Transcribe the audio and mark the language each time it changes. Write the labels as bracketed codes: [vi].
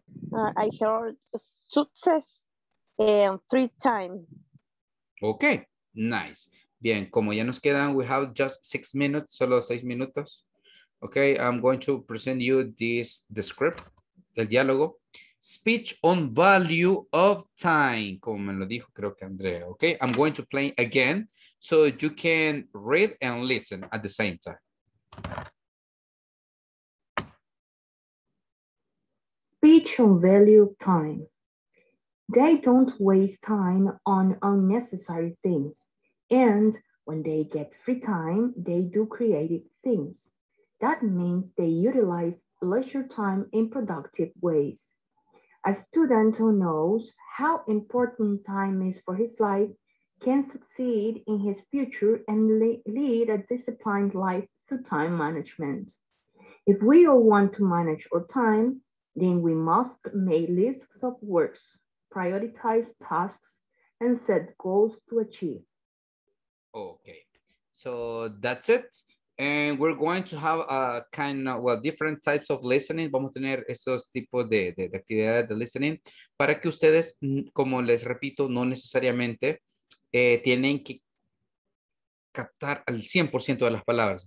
[en] I heard success and free time. [es] Okay, nice. Bien, como ya nos quedan, [en] we have just 6 minutes, [es] solo 6 minutos. [en] Okay, I'm going to present you this the script, [es] el diálogo. [en] Speech on value of time, [es] como me lo dijo creo que Andrea. [en] Okay, I'm going to play again so you can read and listen at the same time. Speech on value of time. They don't waste time on unnecessary things. And when they get free time, they do creative things. That means they utilize leisure time in productive ways. A student who knows how important time is for his life can succeed in his future and lead a disciplined life through time management. If we all want to manage our time, then we must make lists of works, prioritize tasks, and set goals to achieve. Okay, so that's it. And we're going to have a kind of, well, different types of listening. [es] Vamos a tener esos tipos de actividades de listening para que ustedes, como les repito, no necesariamente tienen que captar al 100% de las palabras.